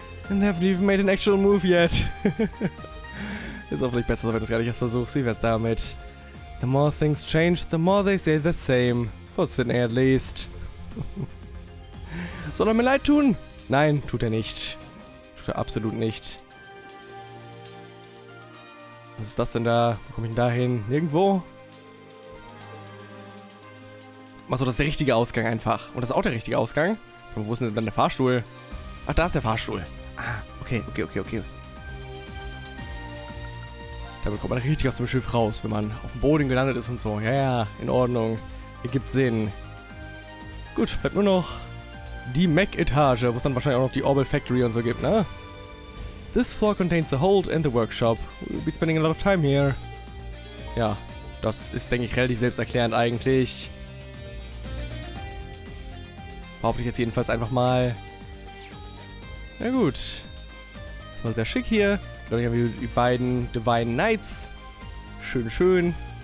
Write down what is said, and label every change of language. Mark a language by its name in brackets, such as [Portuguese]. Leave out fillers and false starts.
[English] And haven't even made an actual move yet. [German] Ist hoffentlich besser, wenn du es gar nicht erst versuchst. Wie wär's damit? [English] The more things change, the more they stay the same. For Sydney at least. [German] Soll er mir leid tun? Nein, tut er nicht. Tut er absolut nicht. Was ist das denn da? Wo komme ich denn da hin? Nirgendwo? Mach so, das ist der richtige Ausgang einfach. Und das ist auch der richtige Ausgang. Aber wo ist denn dann der Fahrstuhl? Ach, da ist der Fahrstuhl. Ah, okay. Damit kommt man richtig aus dem Schiff raus, wenn man auf dem Boden gelandet ist und so. Ja, in Ordnung. Ergibt Sinn. Gut, bleibt nur noch die Mech-Etage, wo es dann wahrscheinlich auch noch die Orbel Factory und so gibt, ne? [English] This floor contains the hold and the workshop. We'll be spending a lot of time here. [German] Ja, das ist, denke ich, relativ selbsterklärend eigentlich. Behaupte ich jetzt jedenfalls einfach mal. Na gut. Das war sehr schick hier. Ich glaube, ich habe hier die beiden Divine Knights. Schön.